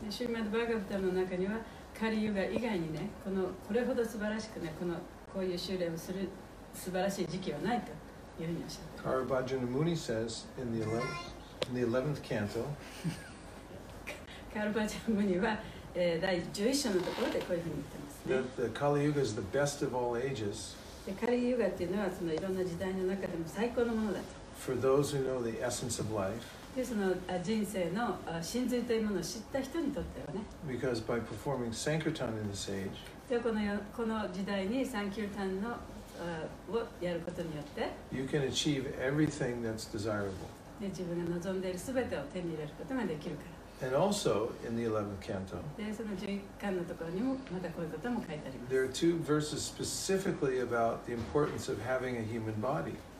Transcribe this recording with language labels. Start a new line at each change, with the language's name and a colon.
Japanese: Srimad Bhagavatam の中には、Kali Yuga 以外にね、この、これほど素晴らしくね、この、こういう修練をする素晴らしい時期はないというふうにおっしゃってます。
English: Karabhajana Muni says in the 11th canto,
Japanese: Karabhajana Muni は、第11章のところでこういうふうに言ってますね。
English: That the Kali Yuga is the best of all ages.
Japanese: カリユガというのはそのいろんな時代の中でも最高のものだと。
English: For those who know the essence of life,
Japanese: でその人生の真髄というものを知った人にとってはね。
English: Because by performing Sankirtan in this age,
Japanese: でこの時代にサンキルタンのをやることによって、
English: you can achieve everything that's desirable.
Japanese: で自分が望んでいるすべてを手に入れることができるから。
English: And also in the 11th canto, there are two verses specifically about the importance of having a human body.